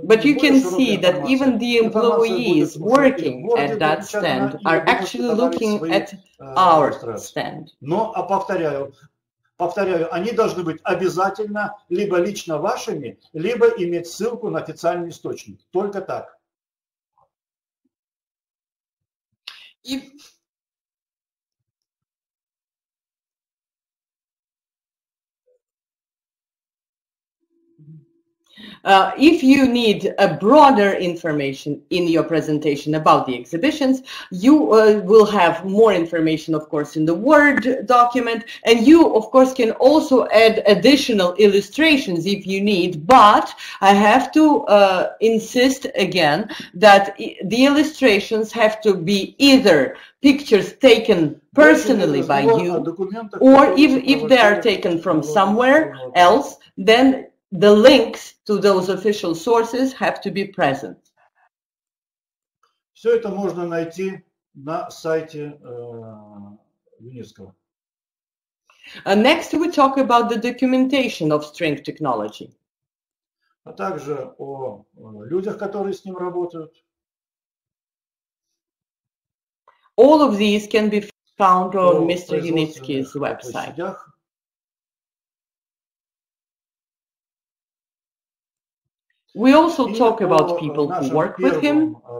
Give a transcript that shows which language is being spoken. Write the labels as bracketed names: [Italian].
[English] but you can see that even the employees working at that stand are actually looking at our stand. [Russian] Но, повторяю, они должны быть обязательно либо лично вашими, либо иметь ссылку на официальный источник. Только так. [English] If you need a broader information in your presentation about the exhibitions, you will have more information, of course, in the Word document. And you, of course, can also add additional illustrations if you need. But I have to insist again that the illustrations have to be either pictures taken personally by you, or if they are taken from somewhere else, then the links to those official sources have to be present. [Russian] Все это можно найти на сайте ЮНЕСКО. [English] Next we talk about the documentation of string technology. [Russian] А также о людях, которые с ним работают. [English] All of these can be found on Mr. Yunitsky's website. We also talk about people who work with him.